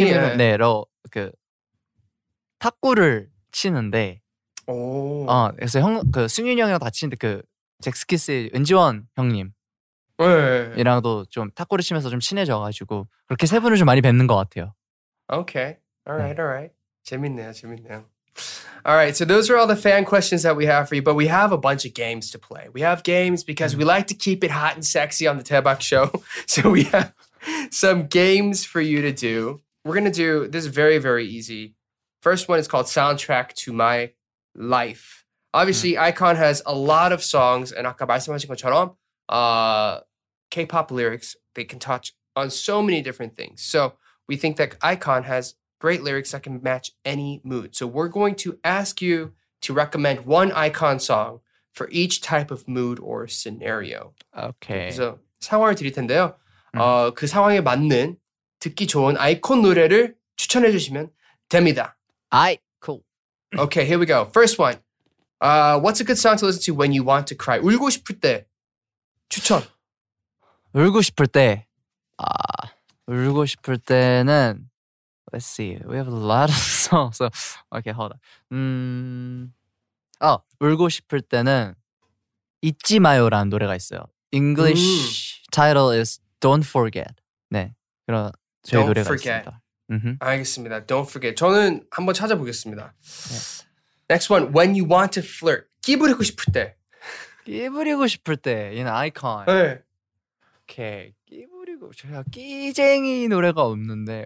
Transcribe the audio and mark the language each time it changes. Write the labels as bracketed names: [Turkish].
[Korean] 네로 그 탁구를 치는데 오 그래서 형 그 승윤이 형이랑 다 치는데 그 잭스키스의 은지원 형님 네. 이랑도 좀 탁구를 치면서 좀 친해져가지고 그렇게 세 분을 좀 많이 뵙는 것 같아요. [English] Okay. Alright, [Korean] 네. [English] alright. [Korean] 재밌네요, 재밌네요. [English] Alright, so those are all the fan questions that we have for you, but we have a bunch of games to play. We have games because we like to keep it hot and sexy on the Taebak Show. So we have some games for you to do. We're gonna do, this is very, very easy. First one is called Soundtrack to My Life. Obviously, iKON has a lot of songs, and [Korean] 아까 말씀하신 것처럼 [English] K-pop lyrics, they can touch on so many different things. So we think that iKON has great lyrics that can match any mood. So we're going to ask you to recommend one iKON song for each type of mood or scenario. Okay. [Korean] 그래서 상황을 드릴 텐데요. 그 상황에 맞는 듣기 좋은 아이콘 노래를 추천해 주시면 됩니다. [English] iKON. Okay, here we go. First one. What's a good song to listen to when you want to cry? [Korean] 울고 싶을 때 추천. 울고 싶을 때. 울고 싶을 때는 [English] Let's see. We have a lot of songs. So, okay, hold on. [Korean] 울고 싶을 때는 잊지 마요라는 노래가 있어요. [English] English title is Don't Forget. [Korean] 네. 그런 제 [English] Don't [Korean] 노래가 [English] forget. [Korean] 있습니다. [English] Mm-hmm. [Korean] 알겠습니다. [English] Don't forget. [Korean] 저는 한번 찾아보겠습니다. [English] Yeah. Next one. When you want to flirt. [Korean] 끼 부리고 싶을 때. 끼 부리고 싶을 때. [English] In iKON. [Korean] 네. [English] Okay. [Korean] 끼 부리고 제가 끼쟁이 노래가 없는데.